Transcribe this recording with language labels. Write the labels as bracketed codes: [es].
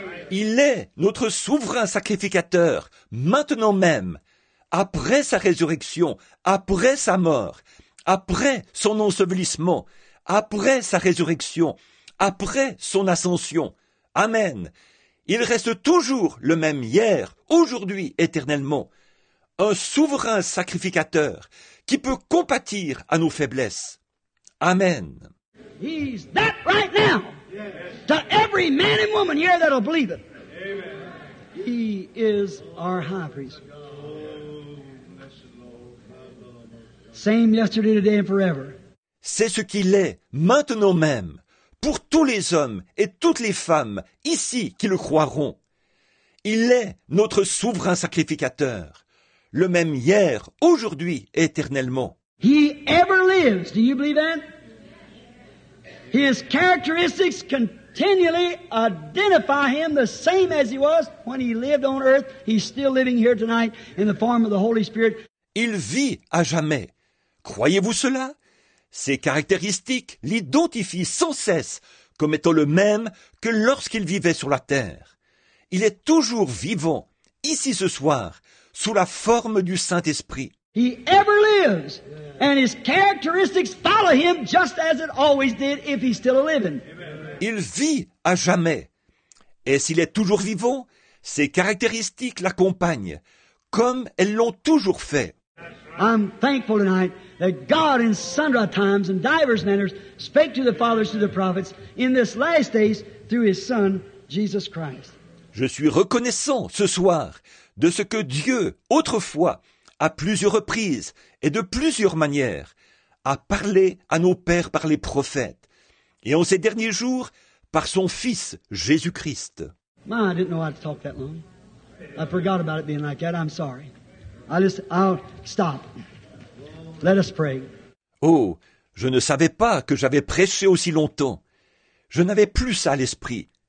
[fr] Il est notre souverain sacrificateur, maintenant même, après sa résurrection, après sa mort, après son ensevelissement, après sa résurrection, après son ascension. Amen. Il reste toujours le même hier, aujourd'hui, éternellement. Un souverain sacrificateur qui peut compatir à nos faiblesses. Amen. [en] He's that right now. To every man and woman here that'll believe it. Amen. He is our high priest. Same yesterday, today and forever. [fr] C'est ce qu'il est maintenant même pour tous les hommes et toutes les femmes ici qui le croiront. Il est notre souverain sacrificateur, le même hier, aujourd'hui et éternellement. [en] He ever lives. Do you believe that? His characteristics continually identify him the same as he was when he lived on earth. He's still living here tonight in the form of the Holy Spirit. [fr] Il vit à jamais. Croyez-vous cela? Ses caractéristiques l'identifient sans cesse comme étant le même que lorsqu'il vivait sur la terre. Il est toujours vivant, ici ce soir, sous la forme du Saint-Esprit. [en] He ever lives, and his characteristics follow him just as it always did if he's still living. [fr] Il vit à jamais, et s'il est toujours vivant, ses caractéristiques l'accompagnent, comme elles l'ont toujours fait. [en] I'm thankful tonight that God in sundry times and divers manners spake to the fathers through the prophets in this last days through his Son, Jesus Christ. [fr] Je suis reconnaissant ce soir de ce que Dieu, autrefois, à plusieurs reprises et de plusieurs manières, a parlé à nos pères par les prophètes, et en ces derniers jours, par son Fils, Jésus-Christ. [en] I didn't know I'd talk that long. I forgot about it being like that. I'm sorry. I'll stop. Let us pray. [fr] Oh, je ne savais pas que j'avais prêché aussi longtemps. Je n'avais plus ça à l'esprit.